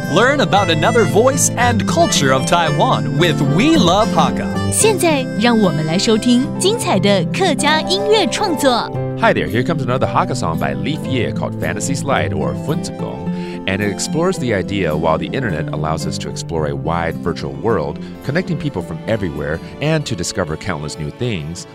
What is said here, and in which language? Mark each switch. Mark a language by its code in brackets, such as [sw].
[en] Learn about another voice and culture of Taiwan with We Love Hakka. [zh] 现在让我们来收听精彩的客家音乐创作。 [en] Hi there, here comes another Hakka song by Leaf Yeh called Fantasy Slide or Funtagong. And it explores the idea while the internet allows us to explore a wide virtual world, connecting people from everywhere and to discover countless new things.